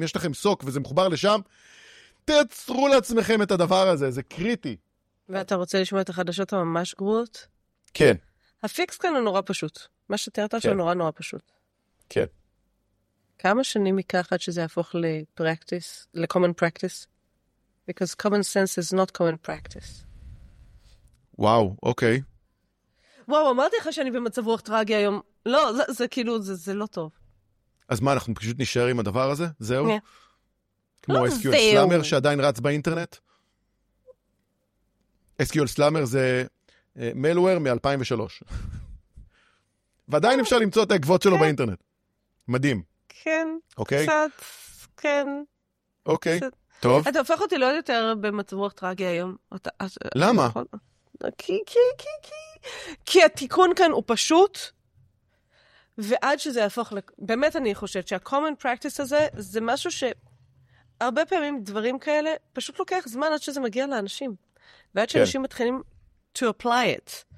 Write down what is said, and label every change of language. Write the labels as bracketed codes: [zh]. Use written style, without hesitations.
[he] אם יש לכם סוק וזה מחובר לשם, תעצרו לעצמכם את הדבר הזה, זה קריטי. ואתה רוצה לשמוע את החדשות הממש גרועות? כן. הפיקס כאן הוא נורא פשוט. מה שתיארת עכשיו הוא נורא נורא פשוט. כן. כמה שנים מכחת שזה יהפוך לפרקטיס, לקומן פרקטיס? [en] Because common sense is not common practice. [he] וואו, אוקיי. וואו, אמרתי לך שאני במצב רוח טרגי היום. לא, זה כאילו, זה לא טוב. אז מה, אנחנו פשוט נשאר עם הדבר הזה? זהו? כמו SQL Slammer שעדיין רץ באינטרנט? SQL Slammer זה malware מ-2003. ועדיין אפשר למצוא את העקבות שלו באינטרנט. מדהים. כן. אוקיי? קצת, כן. אוקיי, טוב. אתה הופך אותי לא יותר במצב רוח טרגי היום. למה? כי התיקון כאן הוא פשוט, ועד שזה יהפוך, באמת אני חושבת שה-common practice הזה, זה משהו שהרבה פעמים דברים כאלה, פשוט לוקח זמן עד שזה מגיע לאנשים, ועד שאנשים מתחילים [en] to apply it.